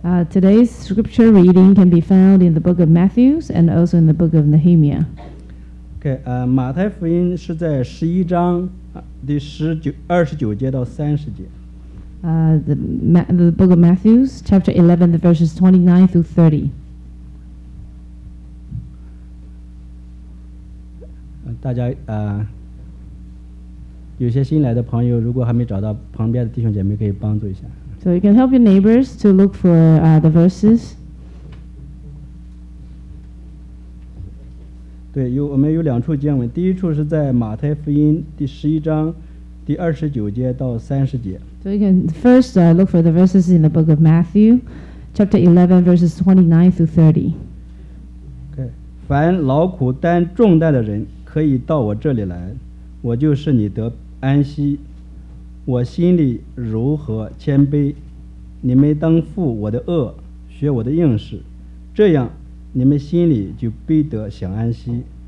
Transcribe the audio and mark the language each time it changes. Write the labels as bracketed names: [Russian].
[English] Today's scripture reading can be found in the book of Matthew and also in the book of Nehemiah. The book of Matthew, chapter 11, the verses 29 through 30. [Chinese] 大家有些新来的朋友，如果还没找到旁边的弟兄姐妹，可以帮助一下。 [English] So you can help your neighbors to look for the verses. [Chinese] 对，我们有两处经文，第一处是在马太福音第十一章第二十九节到三十节。 [English] So you can first look for the verses in the book of Matthew, chapter 11, verses 29 through 30. [Chinese] Okay. 凡劳苦担重担的人可以到我这里来，我就是你得安息。我心里柔和谦卑，你们当负我的轭，学我的应试，这样你们心里就必得享安息。